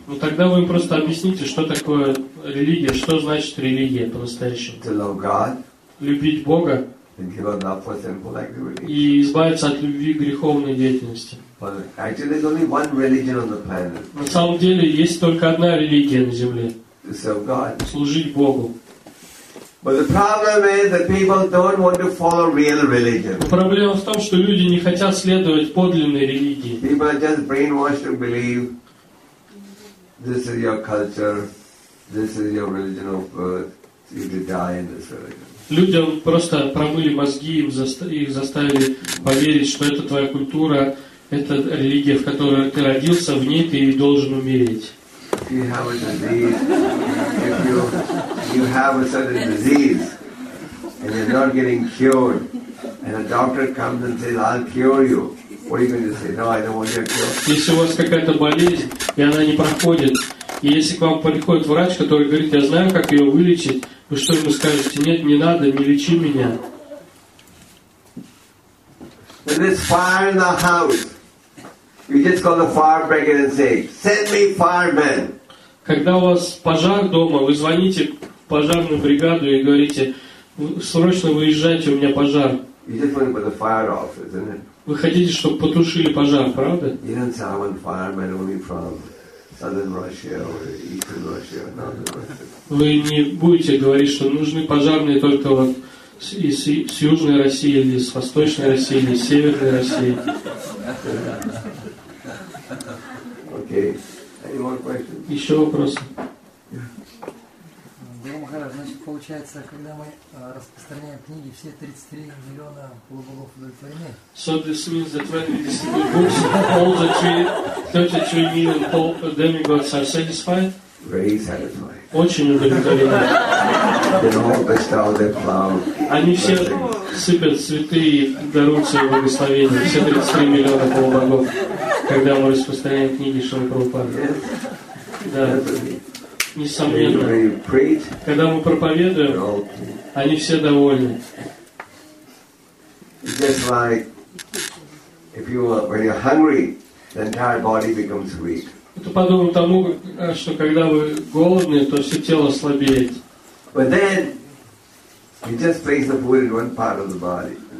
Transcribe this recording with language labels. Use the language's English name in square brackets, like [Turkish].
[Russian] Ну тогда вы им просто объясните, что такое религия, что значит религия по-настоящему. [English] To love God. [Russian] Любить Бога. [English] And give up for simple activity. [Russian] И избавиться от любви к греховной деятельности. [English] But actually, there's only one religion on the planet. [Russian] На самом деле есть только одна религия на Земле. [English] To serve God. [Russian] Служить Богу. [English] But the problem is that people don't want to follow real religion. [Russian] Проблема в том, что люди не хотят следовать подлинной религии. [English] People are just brainwashed to believe this is your culture, this is your religion of birth. You need to die in this religion. [Russian] Людям просто промыли мозги, их заставили поверить, что это твоя культура, это религия, в которой ты родился, в ней ты и должен умереть. [English] If you have a disease, if you have a certain disease and you're not getting cured, and a doctor comes and says, "I'll cure you," what are you going to say? No, I don't want your cure. [Russian] Если у вас какая-то болезнь и она не проходит, и если к вам приходит врач, который говорит, я знаю, как ее вылечить, вы что ему скажете? Нет, не надо, не лечи меня. [English] When there's fire in the house. You just call the firebreaker and say, "Send me firemen." [Russian] Когда у вас пожар дома, вы звоните пожарную бригаду и говорите, срочно выезжайте, у меня пожар. [English] You just want to put the fire off, isn't it? [Russian] Вы хотите, чтобы потушили пожар, правда? [English] You don't say, "I want firemen only from southern Russia or eastern Russia, or northern Russia." [Russian] Вы не будете говорить, что нужны пожарные только вот с южной России или с восточной России или с северной России. [English] Okay. [Russian] Еще вопросы? Дорогой Махарадж, значит, получается, когда мы распространяем книги, все 33 миллиона полуболов удовлетворены? [English] So this means that when we distribute books, all the 33 million demigods are satisfied? Very satisfied. [Russian] Очень удовлетворены. [English] They all bestow their flowers. [Russian] Они все сыпят цветы и даруют свои благословения. Все 33 миллиона полубогов. Когда мы распространяем книги Шрилы Прабхупады. [English] Yes. [Russian] Да. Несомненно. Когда мы проповедуем, они все довольны. [English] Just like if you are, when you're hungry, the entire body becomes weak. [Russian] Это подобно тому, что когда вы голодны, то все тело слабеет. [English] But then you just place the food in one part of the body.